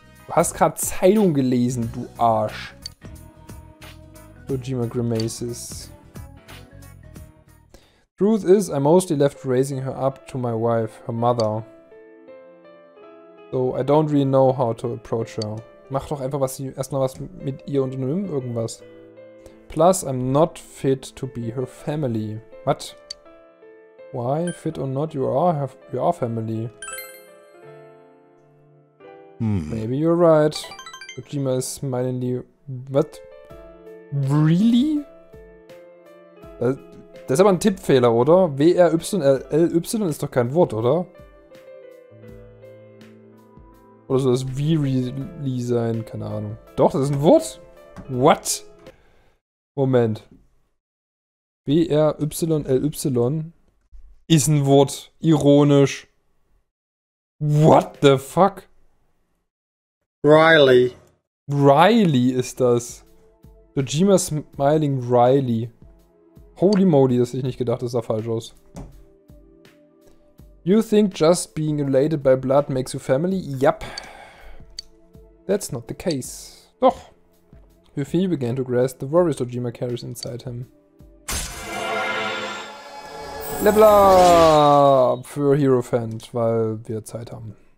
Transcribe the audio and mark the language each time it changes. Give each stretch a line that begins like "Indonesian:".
German: Du hast gerade Zeitung gelesen, du Arsch.
English: Dojima grimaces. Truth is, I mostly left raising her up to my wife, her mother. So I don't really know how to approach her.
German: Mach doch einfach was, erstmal was mit ihr unternehmen, irgendwas.
English: Plus, I'm not fit to be her family. What? Why? Fit or not, you are family. Maybe you're right. Dojima is mildly... What? Really?
German: Das ist aber ein Tippfehler, oder? W-R-Y-L-Y ist doch kein Wort, oder? Oder soll das V-Really sein? Keine Ahnung. Doch, das ist ein Wort? What? Moment. B-R-Y-L-Y ist ein Wort. Ironisch.
English: What the fuck? Riley.
German: Riley ist das. Dojima smiling Riley.
English: Holy moly,
German: das hätte ich nicht gedacht, das sah falsch aus.
English: You think just being related by blood makes you family? Yup. That's not the case. Doch. Hufi began to grasp the worries Dojima carries inside him.
German: Level up für Hero Fend, weil wir Zeit haben.